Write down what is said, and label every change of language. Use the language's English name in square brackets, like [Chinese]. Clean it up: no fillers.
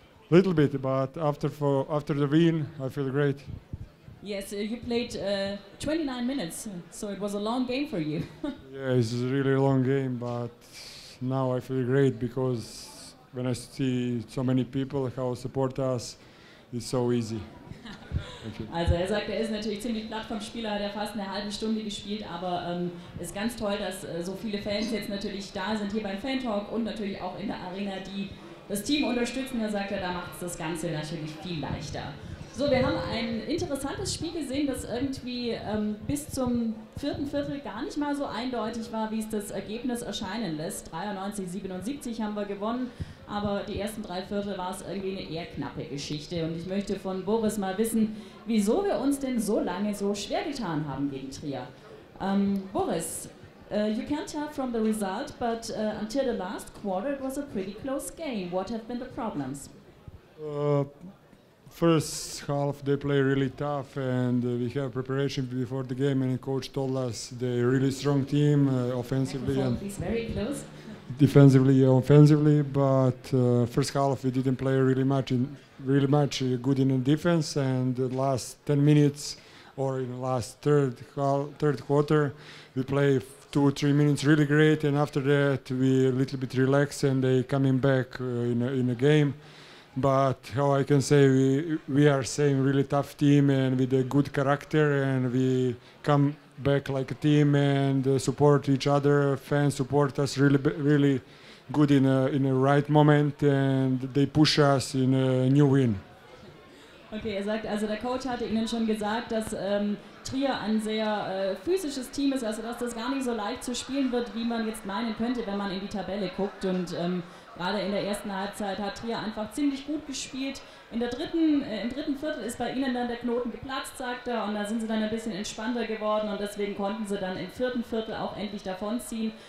[English] Little bit, but after the win, I feel great. Yes, you played 29 minutes, so it was a long game for you. Yeah, it's a really long game, but now I feel great because when I see so many people who support us, it's so easy. [German] Also er sagt, er ist natürlich ziemlich platt vom Spieler, hat er fast eine halbe Stunde gespielt, aber ist ganz toll, dass so viele Fans jetzt natürlich da sind hier beim Fan-Talk und natürlich auch in der Arena, die das Team unterstützen. Er sagt, da macht es das Ganze natürlich viel leichter. So, wir haben ein interessantes Spiel gesehen, das irgendwie bis zum vierten Viertel gar nicht mal so eindeutig war, wie es das Ergebnis erscheinen lässt. 93-77 haben wir gewonnen, aber die ersten drei Viertel war es irgendwie eine eher knappe Geschichte. Und ich möchte von Boris mal wissen, wieso wir uns denn so lange so schwer getan haben gegen Trier. [English] Boris, you can't tell from the result, but until the last quarter it was a pretty close game. What have been the problems? First half they play really tough, and we have preparation before the game, and the coach told us they're a really strong team offensively and very close. Defensively and offensively, but first half we didn't play really much good in the defense, and the last 10 minutes or in the last third quarter we play 2-3 minutes really great, and after that we a little bit relaxed and they coming back in the game. But how I can say, we are same really tough team and with a good character, and we come back like a team and support each other. Fans support us really, really good in a right moment, and they push us in a new win. [German] Okay, er sagt, also der Coach hatte Ihnen schon gesagt, dass Trier ein sehr physisches Team ist, also dass das gar nicht so leicht zu spielen wird, wie man jetzt meinen könnte, wenn man in die Tabelle guckt. Und gerade in der ersten Halbzeit hat Trier einfach ziemlich gut gespielt. Im dritten Viertel ist bei Ihnen dann der Knoten geplatzt, sagt er, und da sind Sie dann ein bisschen entspannter geworden und deswegen konnten Sie dann im vierten Viertel auch endlich davonziehen.